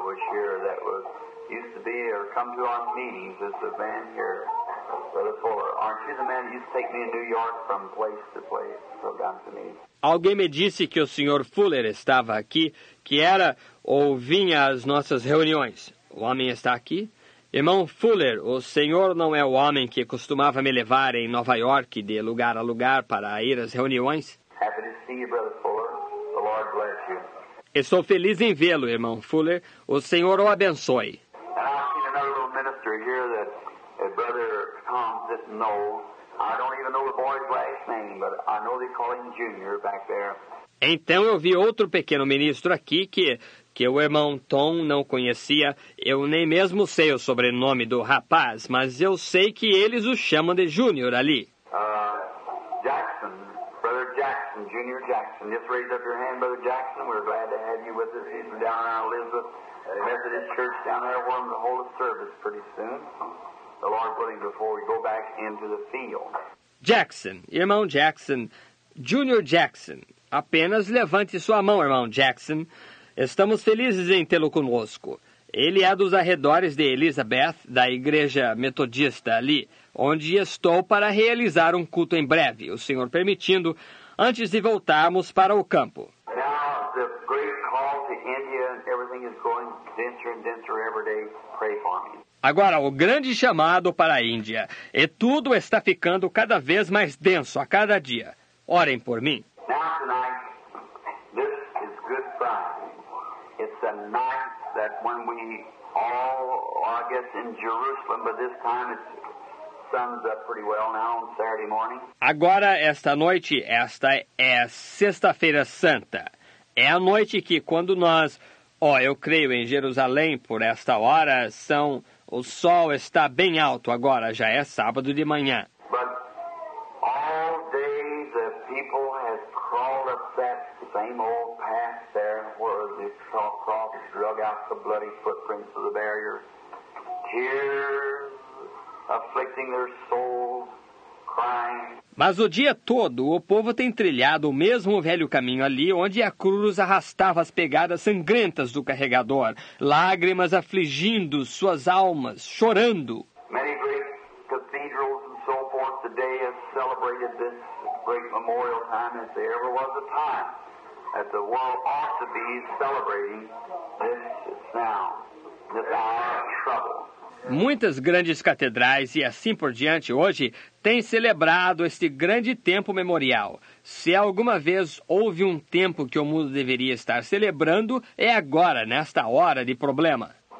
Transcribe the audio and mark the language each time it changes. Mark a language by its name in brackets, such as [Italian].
[English] Here, that was, used to be, or come to our meetings as a band here. Brother Fuller, aren't you the man who used to take me to New York from place to place? So God to me. [Portuguese] Alguém me disse que o Sr. Fuller estava aqui, que era ou vinha às nossas reuniões. O homem está aqui? Irmão Fuller, o senhor não é o homem que costumava me levar em Nova York de lugar a lugar para ir às reuniões? [English] Happy to see you, Brother Fuller. The Lord bless you. [Portuguese] Estou feliz em vê-lo, irmão Fuller. O senhor o abençoe. [English] And I've seen another little minister here that Brother Tom didn't know. I don't even know the boy's last name, but I know they call him Junior back there. [Portuguese] Então eu vi outro pequeno ministro aqui que o irmão Tom não conhecia. Eu nem mesmo sei o sobrenome do rapaz, mas eu sei que eles o chamam de Junior ali. [English] Jackson, Brother Jackson, Junior Jackson. Just raise up your hand, Brother Jackson. We're glad to have you with us. He's down in Elizabeth Methodist Church down there. We're going to hold a service pretty soon. The Lord willing, before we go back into the field. [Portuguese] Jackson, irmão Jackson, Junior Jackson. Apenas levante sua mão, irmão Jackson. Estamos felizes em tê-lo conosco. Ele é dos arredores de Elizabeth, da Igreja Metodista ali, onde estou para realizar um culto em breve, o Senhor permitindo, antes de voltarmos para o campo. [English] Now, the great call to India, everything is going denser and denser every day. Pray for me. [Portuguese] Agora, o grande chamado para a Índia. E tudo está ficando cada vez mais denso a cada dia. Orem por mim. [English] Now, tonight, this is good Friday. It's a night that when we all, I guess, in Jerusalem, but this time it's suns up pretty well now on Saturday morning. [Portuguese] Agora, esta noite, esta é Sexta-feira Santa. É a noite que quando nós, eu creio em Jerusalém, por esta hora, são... O sol está bem alto agora, já é sábado de manhã. [English] But all day the people have crawled up that same old path there where the saw cross drug out the bloody footprints of the barrier. Tears afflicting their souls, crying. [Portuguese] Mas o dia todo o povo tem trilhado o mesmo velho caminho ali onde a cruz arrastava as pegadas sangrentas do carregador, lágrimas afligindo suas almas, chorando. [English] Many great cathedrals and so forth today have celebrated this great memorial time as there ever was a time that the world ought to be celebrating this now, this hour of trouble. [Portuguese] Muitas grandes catedrais e assim por diante hoje têm celebrado este grande tempo memorial. Se alguma vez houve um tempo que o mundo deveria estar celebrando, é agora, nesta hora de problema.